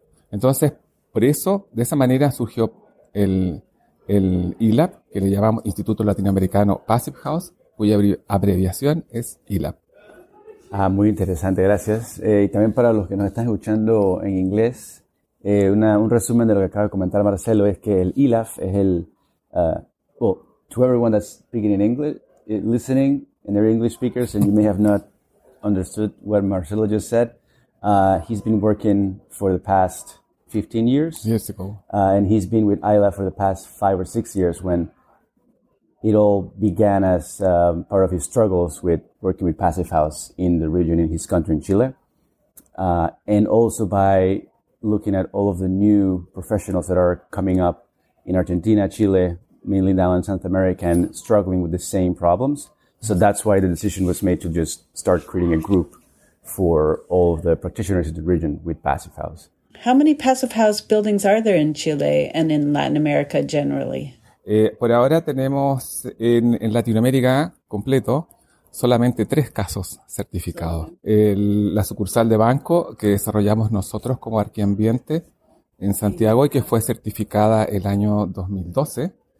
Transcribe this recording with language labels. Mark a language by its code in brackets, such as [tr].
[es] Entonces, por eso, de esa manera surgió el ILAP, que le llamamos Instituto Latinoamericano Passivhaus, cuya abreviación es ILAP. Ah, muy interesante, gracias. Y también para los que nos están escuchando en inglés, un resumen de lo que acaba de comentar Marcelo es que el ILAF es el... [en] to everyone that's speaking in English, listening, and they're English speakers, and you may have not understood what Marcelo just said, he's been working for the past 15 years. Years ago. And he's been with ILAF for the past 5 or 6 years when it all began as part of his struggles with working with Passivhaus in the region, in his country, in Chile. And also by looking at all of the new professionals that are coming up in Argentina, Chile, mainly now in South America, and struggling with the same problems. So that's why the decision was made to just start creating a group for all of the practitioners in the region with Passivhaus. How many Passivhaus buildings are there in Chile and in Latin America generally? [es] Por ahora tenemos en Latinoamérica completo solamente 3 casos certificados. La sucursal de banco que desarrollamos nosotros como Arqueambiente en Santiago y que fue certificada el año 2012.